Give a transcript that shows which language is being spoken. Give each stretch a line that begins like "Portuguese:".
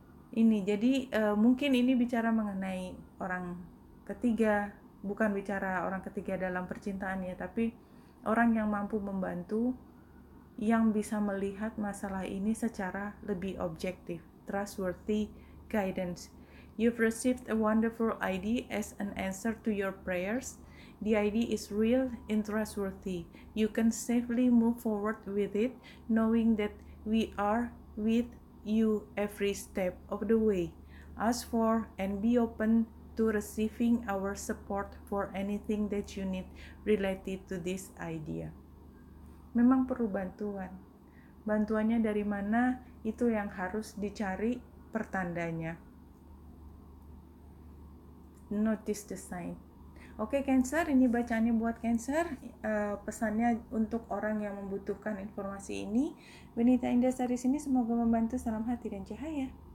Indonesian: Ini jadi mungkin ini bicara mengenai orang ketiga, bukan bicara orang ketiga dalam percintaan ya, tapi orang yang mampu membantu, yang bisa melihat masalah ini secara lebih objektif,
English: trustworthy guidance. You've received a wonderful idea as an answer to your prayers. The idea is real and trustworthy. You can safely move forward with it, knowing that we are with you every step of the way. Ask for and be open to receiving our support for anything that you need related to this idea.
Indonesian: Memang perlu bantuan. Bantuannya dari mana, itu yang harus dicari pertandanya.
English: Notice the sign.
Indonesian: Oke, Cancer, ini bacaannya buat Cancer. Pesannya untuk orang yang membutuhkan informasi ini. Benita Indah dari sini, semoga membantu. Salam hati dan cahaya.